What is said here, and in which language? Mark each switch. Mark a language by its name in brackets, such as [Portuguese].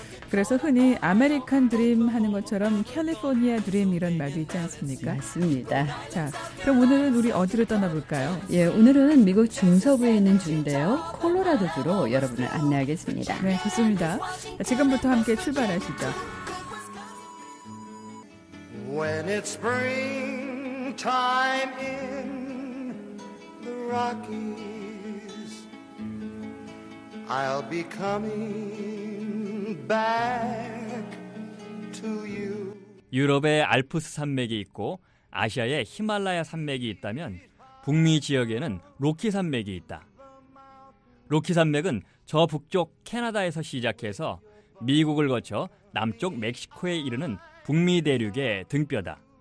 [Korean] 그래서 흔히 아메리칸 드림 하는 것처럼 캘리포니아 드림 이런 말도 있지 않습니까? 맞습니다. 자, 그럼 오늘은 우리 어디로 떠나볼까요? 예, 오늘은 미국 중서부에 있는 주인데요. 콜로라도 주로 여러분을 안내하겠습니다. 네, 좋습니다. 자, 지금부터 함께 출발하시죠. [English] When it's spring time in the Rockies, I'll be coming. Back to you. [Korean] 유럽의 알프스 산맥이 있고 아시아의 히말라야 산맥이 있다면 북미 지역에는 로키 산맥이 있다. 로키 산맥은 저 북쪽 캐나다에서 시작해서 미국을 거쳐 남쪽 멕시코에 이르는 북미 대륙의 등뼈다.